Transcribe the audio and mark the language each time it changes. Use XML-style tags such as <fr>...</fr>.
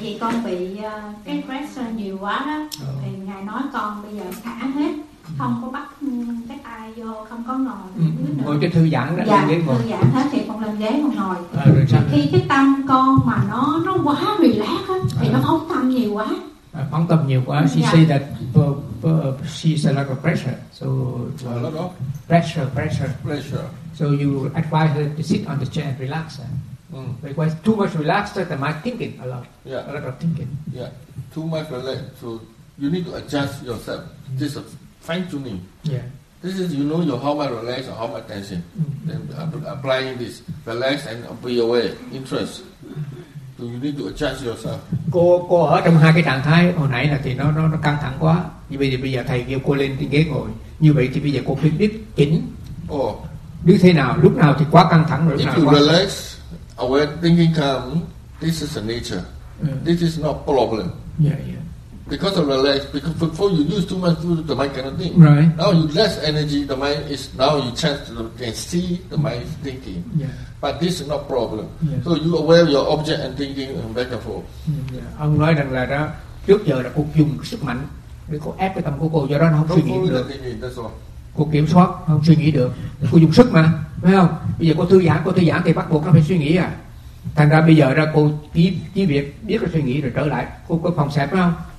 <vi>Thì con bị cái stress nhiều quá đó. Thì ngài nói con bây giờ thả hết, không có bắt cái tay vô, không có ngồi nữa. Ngồi cho thư giãn đó, dạ, lên ghế ngồi. Thư giãn hết thì con lên ghế con ngồi. Rồi sao? Khi cái tâm con mà nó quá relax á thì nó phóng tâm nhiều quá. Phóng tâm nhiều quá.</vi> <en>She say that she said like a pressure. So pressure. So you advise her to sit on the chair and relax. Because too much relaxed, the mind thinking a lot. Yeah. A lot of thinking. Yeah. Too much relaxed. So you need to adjust yourself. This is a fine tuning. Yeah. This is, you know, your how much relaxed or how much tension. Mm-hmm. Then applying this. Relax and be aware. Interest. So you need to adjust yourself.</en> <vi>Cô ở trong hai cái trạng thái hồi nãy là thì nó căng thẳng quá. Như vậy thì bây giờ thầy kêu cô lên cái ghế ngồi. Như vậy thì bây giờ cô phải biết chỉnh. Oh. Như thế nào, lúc nào thì quá căng thẳng rồi.</vi> <en>If you relax, aware, thinking calm, this is the nature. This is not problem. Yeah. Because of relax, because before you use too much food, the mind cannot think. Right. Now you less energy, the mind is, now you chance to can see the mind is thinking. Yeah. But this is not problem. Yeah. So you aware of your object and thinking and back and forth. Yeah.</en> <vi>Ông nói rằng là đó, trước giờ là cô dùng sức mạnh để cô ép cái tâm của cô, do đó nó không suy nghĩ được.</vi> <en>Don't worry, that's all.</en> <vi>Cô kiểm soát không suy nghĩ được, cô dùng sức mà, phải không? Bây giờ cô thư giãn thì bắt buộc nó phải suy nghĩ à. Thành ra bây giờ ra cô chỉ việc biết là suy nghĩ rồi trở lại cô có phòng xẹp, phải không?</vi>